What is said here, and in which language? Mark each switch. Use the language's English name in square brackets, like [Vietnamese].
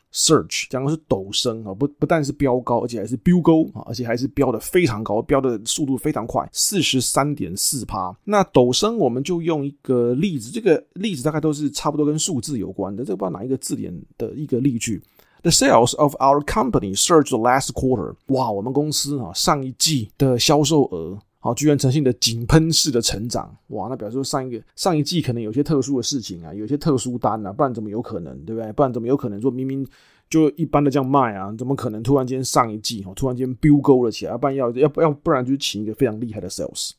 [Chinese] Surge 讲的是陡升， 不但是飙高，而且还是飙高，而且还是飙的非常高，飙的速度非常快， 43.4%。那陡升我们就用一个例子，这个例子大概都是差不多跟数字有关的，这个不知道哪一个字典的一个例句。 [English] The sales of our company surged last quarter。 [Chinese] 哇，我们公司上一季的销售额居然呈现的井喷式的成长。哇，那表示说上一季可能有些特殊的事情啊，有些特殊单啊，不然怎么有可能，对不对？不然怎么有可能说明明就一般的这样卖啊，怎么可能突然间上一季突然间飙高了起来，不然就请一个非常厉害的 sales。